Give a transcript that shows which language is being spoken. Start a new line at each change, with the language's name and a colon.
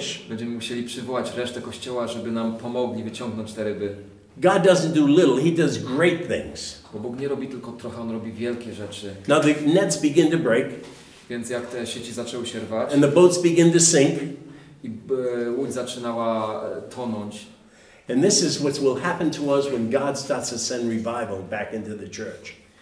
Polish: będziemy musieli przywołać resztę kościoła, żeby nam pomogli wyciągnąć te ryby.
English: God doesn't do little, he does great things.
Polish: Bo Bóg nie robi tylko trochę, on robi wielkie rzeczy.
English: Now the nets begin to break.
Polish: Więc jak te sieci zaczęły się rwać.
English: And the boats begin to sink.
Polish: I łódź zaczynała tonąć.
English: And this is what will happen to us when God starts to send revival back into the church.